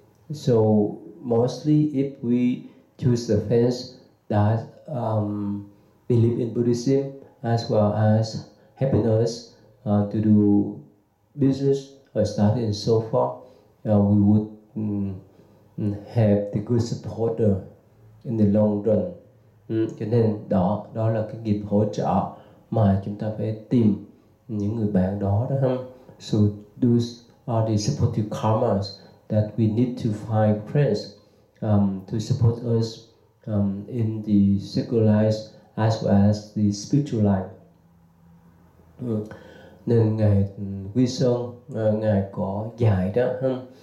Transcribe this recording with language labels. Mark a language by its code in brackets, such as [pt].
[en] So mostly if we choose the friends that believe in Buddhism as well as helping us to do business or study and so forth, we would have the good supporter in the long run. [vi] Cho nên đó là cái nghiệp hỗ trợ mà chúng ta phải tìm những người bạn đó ha. [en] So those are the supportive karmas that we need to find friends to support us in the secular life as well as the spiritual life. [vi] Nên ngài Quy Sơn ngài có dạy đó ha.